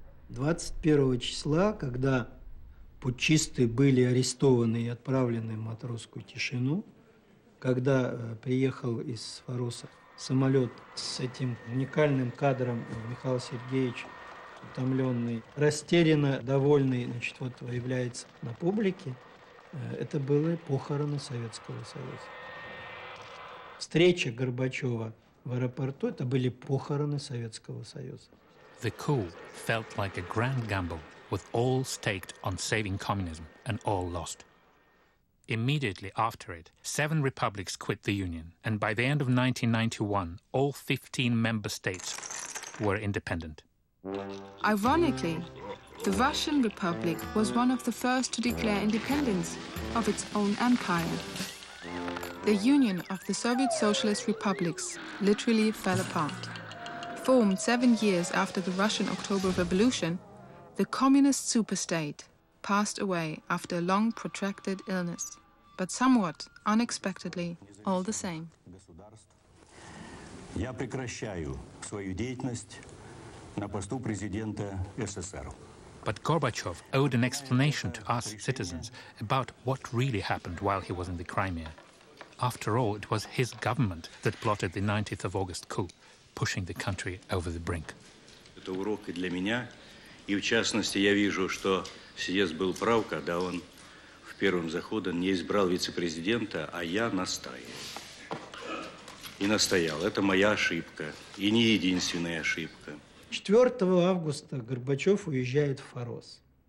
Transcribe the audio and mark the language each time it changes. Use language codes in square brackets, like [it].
[ru] 21 числа, когда путчисты были арестованы и отправлены в матросскую тишину, когда приехал из Фароса самолет с этим уникальным кадром Михаил Сергеевич, утомленный, растерянно довольный, значит, вот появляется на публике, это были похороны Советского Союза. Встреча Горбачева в аэропорту – это были похороны Советского Союза. [en] The coup felt like a grand gamble, with all staked on saving communism and all lost. Immediately after it, seven republics quit the Union, and by the end of 1991, all 15 member states were independent. Ironically, the Russian Republic was one of the first to declare independence of its own empire. The Union of the Soviet Socialist Republics literally fell apart. Formed 7 years after the Russian October Revolution, the communist superstate passed away after a long protracted illness, but somewhat unexpectedly, all the same. [ru] Я прекращаю свою деятельность на посту президента СССР. [en] But Gorbachev owed an explanation to us citizens about what really happened while he was in the Crimea. After all, it was his government that plotted the 19th of August coup, pushing the country over the brink. [ru] Это урок для меня, и в частности я вижу, что съезд был прав, когда он в первом заходе не избрал вице-президента, а я настаивал. И настоял. Это моя ошибка, и не единственная ошибка. 4 августа Горбачев уезжает в Фарос.